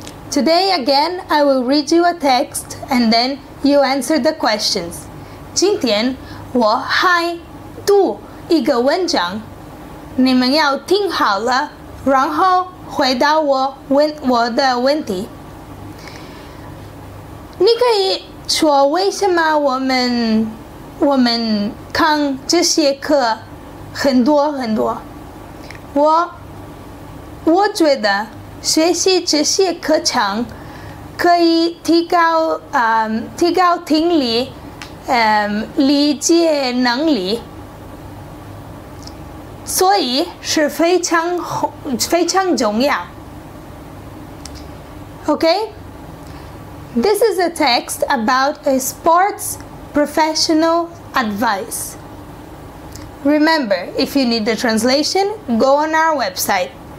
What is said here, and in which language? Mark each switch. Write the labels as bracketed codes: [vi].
[en] Today again, I will read you a text and then you answer the questions. [zh] 今天我还读一个文章，你们要听好了，然后回答我的问题。你可以说为什么我们看这些课很多很多？我觉得学习这些课程可以提高听力，理解能力，所以是非常重要。 [en] Okay, this is a text about a sports professional advice. Remember, if you need the translation, go on our website.